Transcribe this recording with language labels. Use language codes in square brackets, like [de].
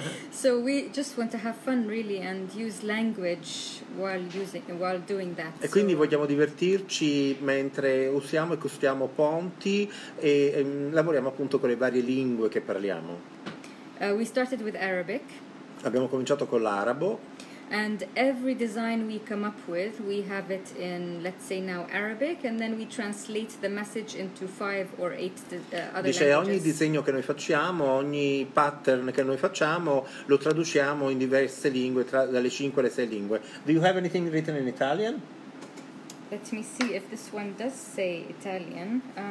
[en] So we just want to have fun really and use language while doing that. [it] E quindi vogliamo divertirci mentre usiamo e costruiamo ponti e lavoriamo appunto con le varie lingue che parliamo. [en] We started with Arabic. [it] Abbiamo cominciato con l'arabo. [en] And every design we come up with, we have it in, let's say now, Arabic, and then we translate the message into 5 or 8 other languages. [it] Dice, ogni disegno che noi facciamo, ogni pattern che noi facciamo, lo traduciamo in diverse lingue, dalle 5 alle 6 lingue. [en] Do you have anything written in Italian? Let me see if this one does say Italian.